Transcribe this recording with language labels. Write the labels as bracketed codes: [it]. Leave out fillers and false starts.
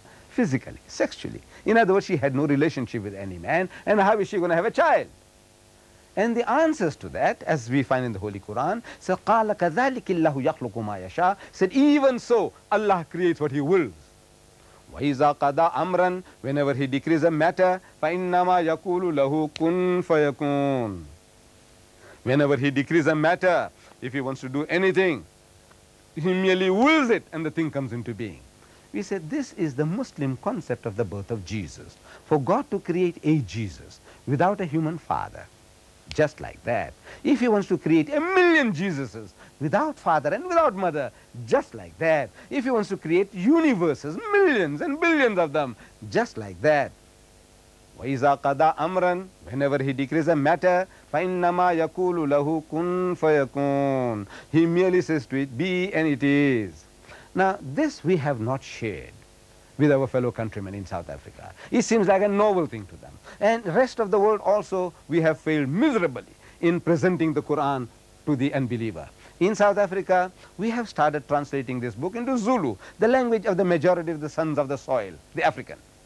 [en] Physically, sexually. In other words, she had no relationship with any man, and how is she going to have a child? And the answers to that, as we find in the Holy Quran, said, [ar] قَالَ كَذَلِكِ اللَّهُ يَخْلُقُ مَا يَشَىٰ, [en] said, even so, Allah creates what He wills. [ar] وَإِذَا قَدَىٰ أَمْرًا, [en] whenever He decrees a matter, [ar] فَإِنَّمَا يَقُولُ لَهُ كُنْ فَيَكُونَ. [en] Whenever He decrees a matter, if He wants to do anything, He merely wills it and the thing comes into being. We said, this is the Muslim concept of the birth of Jesus. For God to create a Jesus without a human father, just like that. If He wants to create a million Jesuses without father and without mother, just like that. If He wants to create universes, millions and billions of them, just like that. [ar] وَإِذَا قَدَىٰ أَمْرًا, [en] whenever He decrees a matter, [ar] فَإِنَّمَا يَقُولُ لَهُ كُنْ فَيَكُونَ. [en] He merely says to it, be and it is. Now, this we have not shared with our fellow countrymen in South Africa. It seems like a novel thing to them. And the rest of the world also, we have failed miserably in presenting the Quran to the unbeliever. In South Africa, we have started translating this book into Zulu, the language of the majority of the sons of the soil, the African.